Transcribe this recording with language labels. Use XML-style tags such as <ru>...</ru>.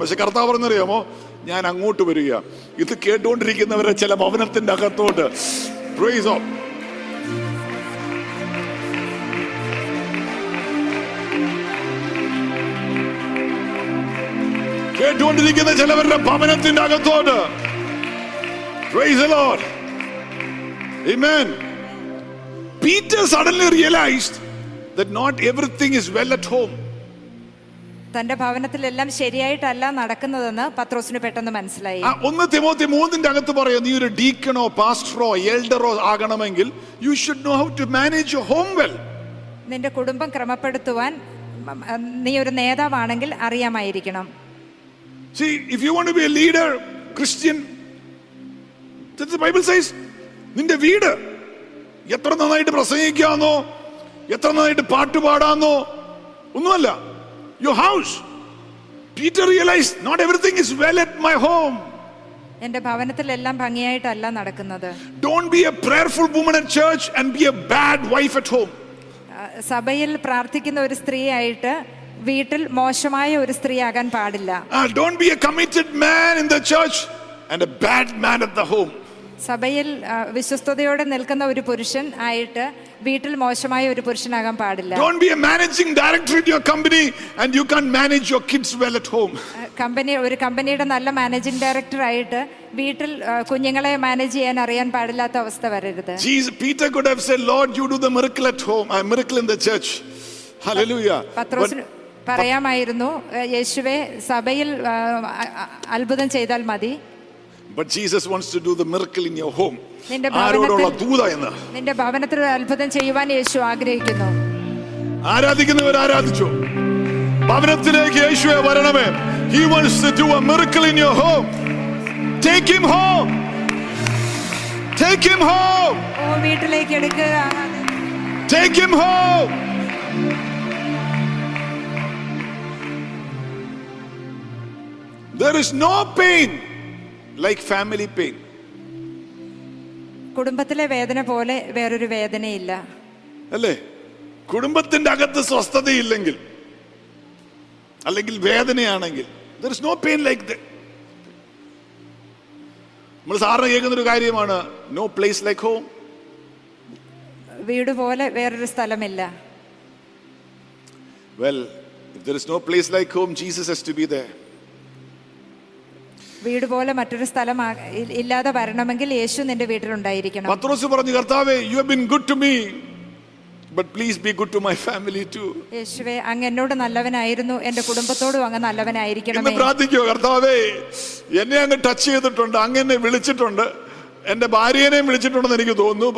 <ml>പക്ഷെ കർത്താവ് പറഞ്ഞറിയാമോ, ഞാൻ അങ്ങോട്ട് വരിക. ഇത് കേട്ടുകൊണ്ടിരിക്കുന്നവരെ ചില ഭവനത്തിന്റെ അകത്തോട്ട്.</ml> <en>Praise God.</en> <ml>കേട്ടുകൊണ്ടിരിക്കുന്ന ചിലവരുടെ ഭവനത്തിന്റെ അകത്തോട്ട്.</ml> <en>Praise the Lord. Amen. Peter suddenly realized that not everything is well at home.</en> <ml>തന്റെ ഭവനത്തിൽ എല്ലാം ശരിയായിട്ടല്ല നടക്കുന്നതെന്ന് പത്രോസിന് പെട്ടെന്ന് മനസ്സിലായി. 1 Timothy 3 അകത്ത് പറയുന്നു, നീ ഒരു ഡീക്കണോ പാസ്റ്ററോ എൽഡറോ ആകണമെങ്കിൽ</ml> <en>you should know how to manage your home well.</en> <ml>നിന്റെ കുടുംബം ക്രമപ്പെടുത്തുവാൻ നീ ഒരു നേതാവാണെങ്കിൽ അറിയാമായിരിക്കണം.</ml> <en>See, if you want to be a leader, Christian, that the Bible says,</en> <ml>നിന്റെ വീട് എത്ര നന്നായിട്ട് പ്രസംഗിക്കാന്നോ എത്ര നന്നായിട്ട് പാട്ട് പാടാന്നോ ഒന്നുമല്ല,</ml> <en>your house. Peter realized, not everything is well at my home.</en> <ml>എന്റെ ഭവനത്തിൽ എല്ലാം ഭംഗിയായിട്ടല്ല നടക്കുന്നത്.</ml> <en>Don't be a prayerful woman at church and be a bad wife at home.</en> <ml>സഭയിൽ പ്രാർത്ഥിക്കുന്ന ഒരു സ്ത്രീ ആയിട്ട് വീട്ടിൽ മോശമായ ഒരു സ്ത്രീ ആകാൻ പാടില്ല.</ml> <en>Don't be a committed man in the church and a bad man at the home.</en> <ml>സഭയിൽ വിശ്വസ്തതയോടെ നിൽക്കുന്ന ഒരു പുരുഷൻ ആയിട്ട് വീട്ടിൽ മോശമായ ഒരു പുരുഷനാകാൻ പാടില്ല.</ml> <en>Don't be a managing director in your company and you can't manage your kids well at home.</en> <ml>Company ഒരു കമ്പനിയുടെ നല്ല മാനേജിംഗ് ഡയറക്ടർ ആയിട്ട് വീട്ടിൽ കുഞ്ഞുങ്ങളെ മാനേജ് ചെയ്യാൻ അറിയാൻ പാടില്ലാത്ത അവസ്ഥ വരരുത്.</ml> <en>Jesus, Peter could have said, Lord, you do the miracle at home, a miracle in the church. Hallelujah.</en> <ml>പറയാമായിരുന്നു, യേശുവേ സഭയിൽ അത്ഭുതം ചെയ്താൽ മതി.</ml> <en>But Jesus wants to do the miracle in your home.</en> <ml>നിന്റെ ഭവനത്തിൽ ദൂത എന്ന് നിന്റെ ഭവനത്തിൽ അത്ഭുതം ചെയ്യുവാൻ യേശു ആഗ്രഹിക്കുന്നു. ആരാധിക്കുന്നവർ ആരാധിച്ചു, ഭവനത്തിലേക്ക് യേശുവേ വരണമേ.</ml> <en>He wants to do a miracle in your home. Take him home. Take him home.</en> <ml>ഓ വീട്ടിലേക്ക് എടുക്കുക.</ml> <en>Take him home. There is no pain like family pain.</en> <ml>കുടുംബത്തിലെ വേദന പോലെ വേറൊരു വേദനയില്ല അല്ലേ. കുടുംബത്തിന്റെ അകത്ത് സ്വസ്ഥത ഇല്ലെങ്കിൽ അല്ലെങ്കിൽ വേദനയാണെങ്കിൽ,</ml> <en>there is no pain like that.</en> <ml>നമ്മൾ സാധാരണ കേൾക്കുന്ന ഒരു കാര്യമാണ്,</ml> <en>no place like home.</en> <ml>വീട് പോലെ വേറൊരു സ്ഥലമില്ല.</ml> <en>Well, if there is no place like home, Jesus has to be there.</en> <ml>വീട് പോലെ മറ്റൊരു സ്ഥലം ഇല്ലാതെ വരണമെങ്കിൽ യേശു നിന്റെ വീട്ടിൽ ഉണ്ടായിരിക്കണം. പത്രോസ് പറഞ്ഞു, കർത്താവേ,</ml> <en>you have been good to me, but please be good to my family too.</en> <ml>യേശുവേ, അങ്ങ് എന്നോട് നല്ലവനായിരുന്നു, എന്റെ കുടുംബത്തോടും അങ്ങ് നല്ലവനായിരിക്കണം എന്ന് പ്രാർത്ഥിക്കുക. കർത്താവേ, എന്നെ അങ്ങ് ടച്ച് ചെയ്തിട്ടുണ്ട്, അങ്ങ് എന്നെ വിളിച്ചിട്ടുണ്ട്, എന്റെ ഭാര്യനെയും വിളിച്ചിട്ടുണ്ടെന്ന് എനിക്ക് തോന്നുന്നു.</ml>